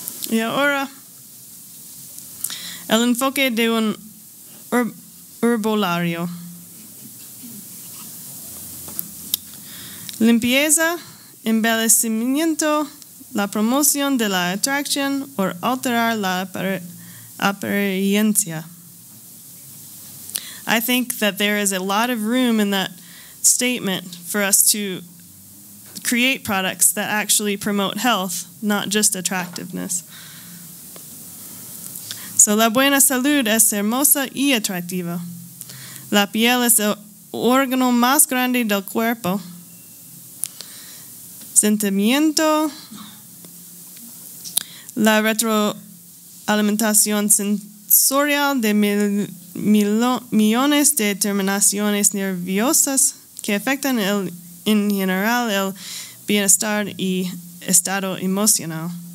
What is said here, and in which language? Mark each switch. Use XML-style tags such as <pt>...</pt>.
<es>Y ahora, el enfoque de un herbolario. Limpieza, embellecimiento, la promoción de la atracción o alterar la apariencia.</es> <en>I think that there is a lot of room in that statement for us to create products that actually promote health, not just attractiveness.</en> <es>So la buena salud es hermosa y atractiva. La piel es el órgano más grande del cuerpo. Sentimiento, la retroalimentación sensorial de millones de terminaciones nerviosas que afectan en general el bienestar y estado emocional.</es>